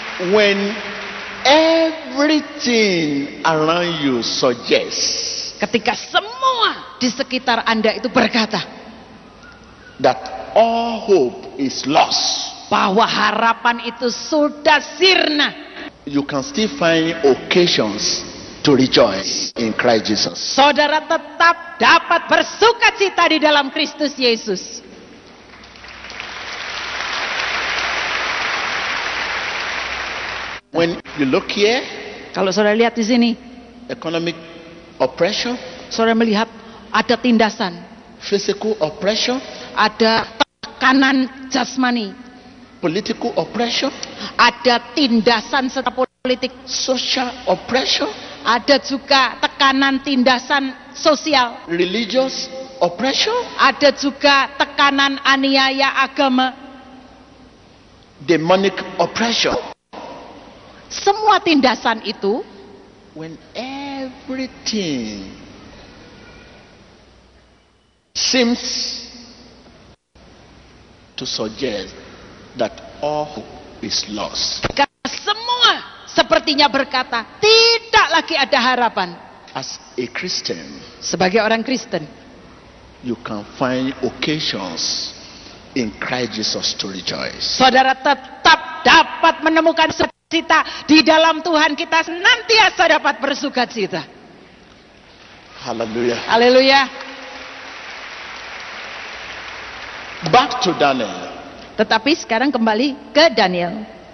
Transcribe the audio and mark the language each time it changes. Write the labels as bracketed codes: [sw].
[en] When everything around you suggests, [id] ketika semua di sekitar Anda itu berkata [en] that all hope is lost, [id] bahwa harapan itu sudah sirna, [en] you can still find occasions to rejoice in Christ Jesus. [id] Saudara tetap dapat bersukacita di dalam Kristus Yesus. [en] When you look here, [id] kalau saudara lihat di sini, [en] economic oppression, [id] saudara melihat ada tindasan, [en] physical oppression, [id] ada tekanan jasmani, [en] political oppression, [id] ada tindasan secara politik, [en] social oppression, [id] ada juga tekanan tindasan sosial, [en] religious oppression, [id] ada juga tekanan aniaya agama, [en] demonic oppression. [id] Semua tindasan itu, [en] when everything seems to suggest that all hope is lost, [id] karena semua sepertinya berkata tidak lagi ada harapan, [en] as a Christian, [id] sebagai orang Kristen, [en] you can find occasions in Christ Jesus to rejoice. [id] Saudara tetap dapat menemukan cita di dalam Tuhan kita, senantiasa dapat bersuka cita. [en] Hallelujah. Hallelujah. Back to Daniel. [id] Tetapi sekarang kembali ke Daniel.